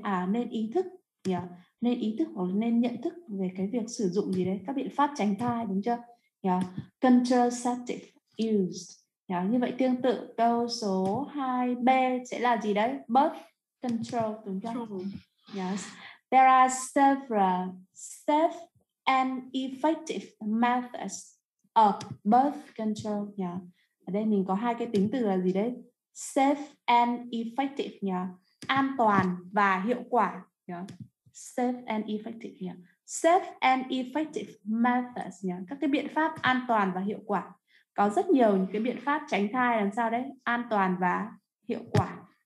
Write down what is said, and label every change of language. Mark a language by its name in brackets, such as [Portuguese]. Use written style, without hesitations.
[Vietnamese] À, nên ý thức, nên ý thức hoặc nên nhận thức về cái việc sử dụng gì đấy, các biện pháp tránh thai, đúng chưa? [English] Contraceptive use. [Vietnamese] Như vậy tương tự câu số 2B sẽ là gì đấy? [English] Birth control, [Vietnamese] đúng chưa? [English] Yes. There are several safe and effective methods of birth control. [Vietnamese] Ở đây mình có hai cái tính từ là gì đấy? [English] Safe and effective, [Vietnamese] an toàn và hiệu quả. [English] Safe and effective, safe and effective methods, [Vietnamese] các cái biện pháp an toàn và hiệu quả. Có rất nhiều những cái biện pháp tránh thai làm sao đấy, an toàn và hiệu quả.